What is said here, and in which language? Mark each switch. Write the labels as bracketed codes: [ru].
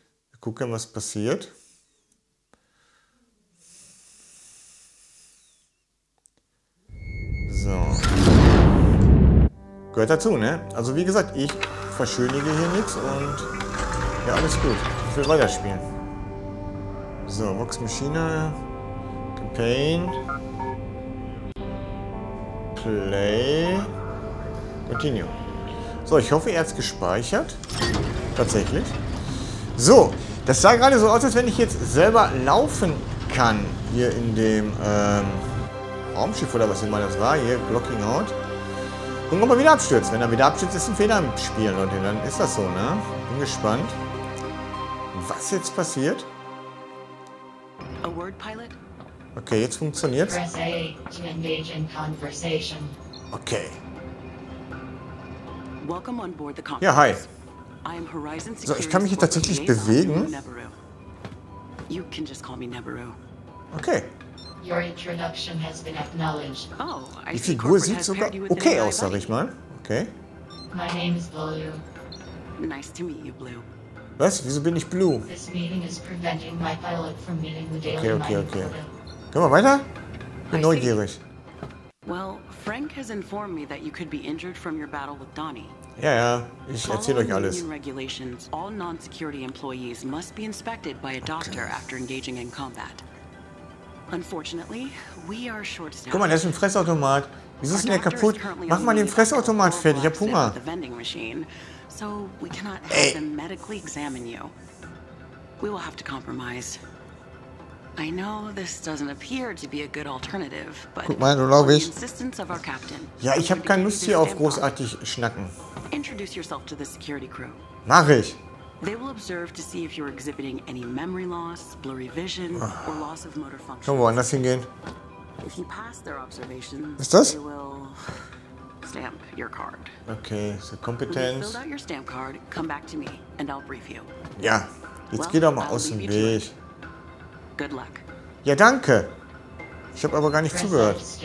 [de] Wir gucken, was passiert. So. Gehört dazu, ne? Also wie gesagt, ich verschönige hier nichts und ja, alles gut. Ich will weiterspielen. [en] So, Vox Machina, Campaign, Play, Continue. [de] So, ich hoffe, er hat es gespeichert. Tatsächlich. So, das sah gerade so aus, als wenn ich jetzt selber laufen kann, hier in dem Raumschiff oder was immer das war, hier, Blocking Out. Gucken, ob er wieder abstürzt. Wenn er wieder abstürzt, ist ein Fehler im Spiel, Leute, dann ist das so, ne? Bin gespannt, was jetzt passiert. [en] A word pilot? [de] Okay, jetzt funktioniert's. [en] Press A to engage in conversation. Okay. Welcome on board the [de] conference. Ja, hi. So, ich kann mich hier tatsächlich bewegen. [en] You can just call me Nebaru. Okay. Your introduction has been acknowledged. Oh, [de] die Figur sieht sogar okay aus, sag ich mal. Okay. [en] My name is Blue. Nice to meet you, Blue. [de] Was? Wieso bin ich Blue? [en] This meeting is preventing my pilot from meeting the daily [de] okay, okay, okay. Können wir weiter? Ich bin neugierig. [en] Well, Frank has informed me that you could be injured from your battle with Donnie. [de] Ja, ja, ich erzähle euch alles. [en] Regulations, all non-security employees must be inspected by a doctor okay. after engaging in combat. Unfortunately, we are short-staffed. [de] Guck mal, das ist ein Fressautomat. Wieso ist denn der kaputt? Mach mal den Fressautomat fertig, ich hab Hunger. [en] The vending machine, so we cannot have them medically examine you. We will have to compromise. I know this doesn't appear to be a good alternative, but [de] guck mal, glaub ich. [en] The insistence of our captain. [de] Ja, ich habe keine Lust hier auf großartig schnacken. [en] Introduce yourself to the security crew. [de] Mach ich. [en] They will observe to see if you're exhibiting any memory loss, blurry vision, or loss of motor function. [de] Können wir woanders hingehen? [en] If you pass their observations, [de] ist das? [en] They will stamp your card. [de] Okay, so Kompetenz. [en] Fill out your stamp card, come back to me, and I'll brief you. [de] Ja, jetzt geh doch mal aus dem Weg. [en] Good luck. [de] Ja, danke. Ich habe aber gar nicht zugehört.